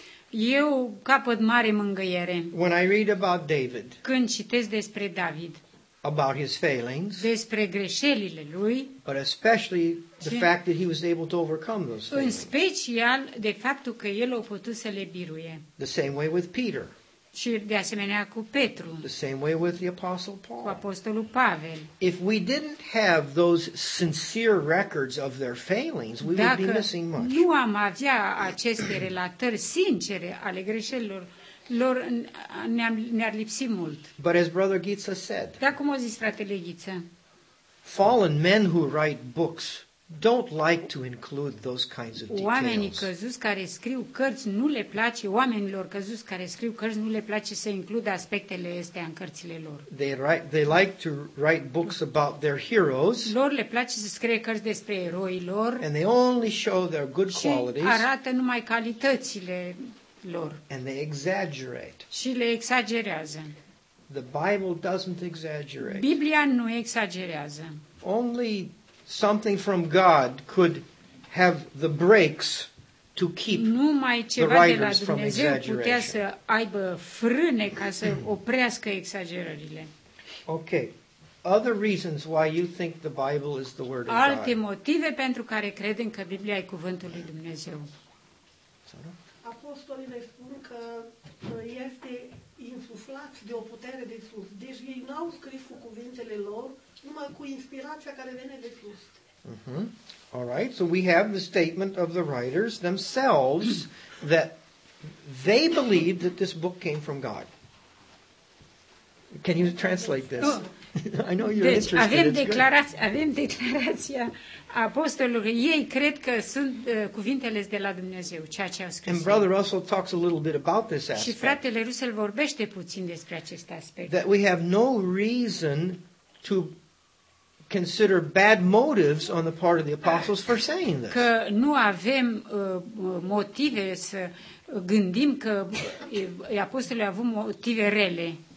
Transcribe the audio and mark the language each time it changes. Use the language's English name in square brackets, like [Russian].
[Romanian] Eu capăt mare mângâiere. [English] When I read about David. [Romanian] Când citesc despre David. [English] About his failings. [Romanian] Despre greșelile lui. [English] But especially the fact that he was able to overcome those failings. [Romanian] În special de faptul că el a putut să le biruie. [English] The same way with Peter. [Romanian] Și de asemenea cu Petru. [English] The same way with the Apostle Paul. [Romanian] Cu Apostolul Pavel. [English] If we didn't have those sincere records of their failings, we [Romanian] dacă [English] would be missing much. [Romanian] Nu am avea aceste relatări sincere ale greșelilor, lor ne-ar lipsi mult. [English] But as Brother Ghiță said, [Romanian] da, cum a zis fratele Ghiță, [English] fallen men who write books don't like to include those kinds of details. [Romanian] Oamenii căzuți care scriu cărți nu le place, oamenilor căzuți care scriu cărți nu le place să includă aspectele astea în cărțile lor. [English] They like to write books about their heroes. [Romanian] Lor le place să scrie cărți despre eroii lor. [English] And they only show their good qualities. [Romanian] Și arată numai calitățile lor. [English] And they exaggerate. [Romanian] Și le exagerează. [English] The Bible doesn't exaggerate. [Romanian] Biblia nu exagerează. [English] Only something from God could have the brakes to keep [Romanian] numai ceva [English] the writers [Romanian] de la Dumnezeu putea să aibă frâne ca să oprească exagerările. [English] Okay. Other reasons why you think the Bible is the word of God. [Romanian] Alte motive pentru care credem că Biblia e cuvântul lui Dumnezeu. Apostolii ne spun că este insuflat de o putere de sus. Deci ei n-au scris cu cuvintele lor, numai cu inspirația care vine de sus. Mm-hmm. [English] All right, so we have the statement of the writers themselves that they believe that this book came from God. Can you translate this? I know you're [Romanian] deci [English] interested. [Romanian] Avem declarația, avem declarația apostolilor. Ei cred că sunt cuvintele de la Dumnezeu, ceea ce au scris. [English] And Brother Russell talks a little bit about this aspect. [Romanian] Și fratele Russell vorbește puțin despre acest aspect. [English] That we have no reason to consider bad motives on the part of the apostles for saying this. [Romanian] Că nu avem motive să gândim că apostolii au avut motive rele.